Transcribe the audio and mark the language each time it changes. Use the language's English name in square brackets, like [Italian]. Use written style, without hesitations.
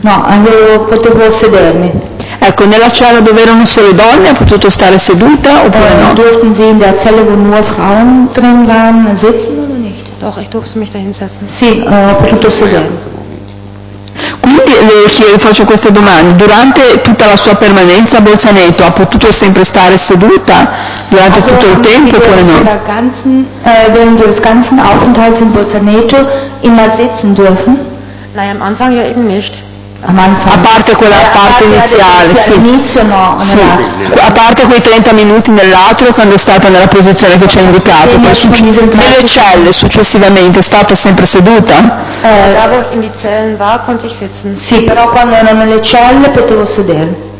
[Italian] No, avevo potevo sedermi. Ecco, nella cella dove erano solo donne ha potuto stare seduta oppure no? [German] Durften sie in der Zelle, wo nur Frauen drin waren, sitzen oder nicht? Doch, ich durfte mich da hinsetzen. [Italian] Sì, ho potuto sedermi. Quindi le faccio queste domande. Durante tutta la sua permanenza a Bolzaneto ha potuto sempre stare seduta durante [German] also, [Italian] tutto il tempo oppure no? [German] Während des ganzen Aufenthalts in Bolzaneto immer sitzen dürfen? Nein, am Anfang ja eben nicht. [Italian] A parte quella parte iniziale, sì. All'inizio no, sì. A parte quei 30 minuti nell'atrio quando è stata nella posizione che ci ha indicato, poi nelle celle successivamente è stata sempre seduta? [German] Da wo ich in die Zellen war, konnte ich sitzen. [Italian] Sì, però quando ero nelle celle potevo sedere.